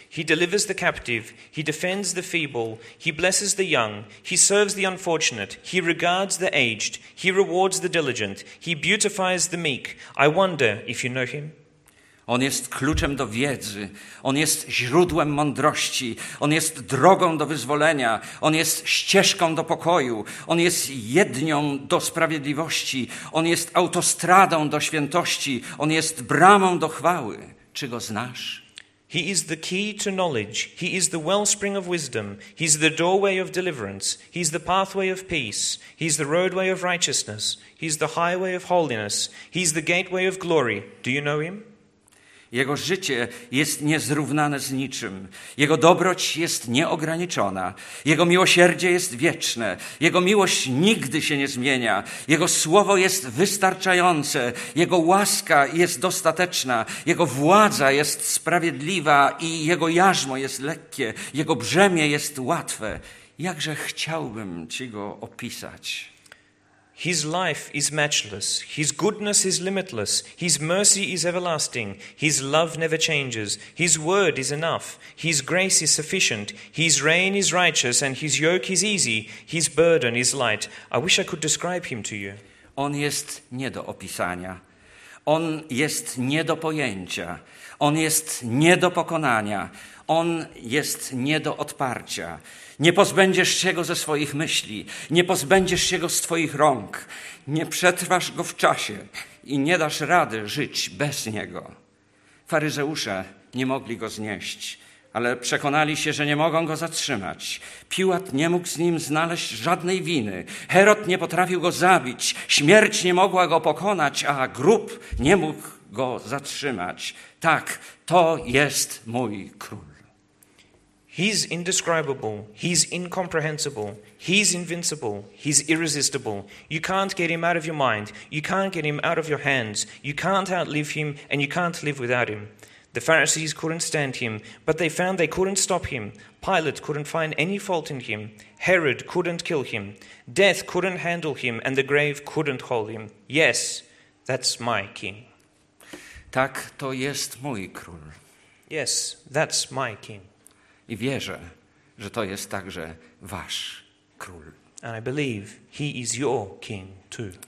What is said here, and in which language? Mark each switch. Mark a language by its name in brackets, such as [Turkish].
[English] He delivers the captive. He defends the feeble. He blesses the young. He serves the unfortunate. He regards the aged. He rewards the diligent. He beautifies the meek. I wonder if you know him. [Polish] On jest kluczem do wiedzy, on jest źródłem mądrości, on jest drogą do wyzwolenia, on jest ścieżką do pokoju, on jest jednią do sprawiedliwości, on jest autostradą do świętości, on jest bramą do chwały. Czy go znasz? [English] He is the key to knowledge. He is the wellspring of wisdom. He is the doorway of deliverance. He is the pathway of peace. He is the roadway of righteousness. He is the highway of holiness. He is the gateway of glory. Do you know him? [Polish] Jego życie jest niezrównane z niczym. Jego dobroć jest nieograniczona. Jego miłosierdzie jest wieczne. Jego miłość nigdy się nie zmienia. Jego słowo jest wystarczające. Jego łaska jest dostateczna. Jego władza jest sprawiedliwa i jego jarzmo jest lekkie. Jego brzemię jest łatwe. Jakże chciałbym ci go opisać. [English] His life is matchless. His goodness is limitless. His mercy is everlasting. His love never changes. His word is enough. His grace is sufficient. His reign is righteous and his yoke is easy. His burden is light. I wish I could describe him to you. [Polish] On jest nie do opisania. On jest nie do pojęcia. On jest nie do pokonania. On jest nie do odparcia. Nie pozbędziesz się go ze swoich myśli. Nie pozbędziesz się go z twoich rąk. Nie przetrwasz go w czasie i nie dasz rady żyć bez niego. Faryzeusze nie mogli go znieść, ale przekonali się, że nie mogą go zatrzymać. Piłat nie mógł z nim znaleźć żadnej winy. Herod nie potrafił go zabić. Śmierć nie mogła go pokonać, a grób nie mógł go zatrzymać. Tak, to jest mój król. [English] He's indescribable, he's incomprehensible, he's invincible, he's irresistible. You can't get him out of your mind, you can't get him out of your hands, you can't outlive him and you can't live without him. The Pharisees couldn't stand him, but they found they couldn't stop him. Pilate couldn't find any fault in him. Herod couldn't kill him. Death couldn't handle him and the grave couldn't hold him. Yes, that's my king. [Polish] Tak, to jest mój król. [English] Yes, that's my king. [Polish] I wierzę, że to jest także wasz król. [English] And I believe he is your king too.